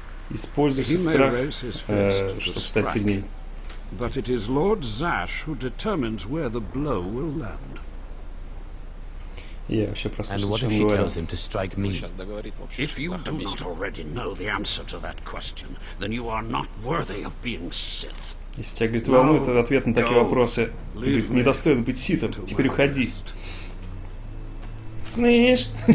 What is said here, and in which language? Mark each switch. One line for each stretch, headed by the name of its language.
Russian: Используй свой страх, чтобы стать сильнее.
English: But it is Lord Zash who determines where the blow will land.
Russian: Я вообще просто слышал, что он говорит. Если вы не знаете уже ответа на этот вопрос, то вы не достойны быть ситом. Если тебя, говорит, волнует ответ на такие вопросы, ты, говорит, не достоин быть ситом. Теперь уходи. Слышь?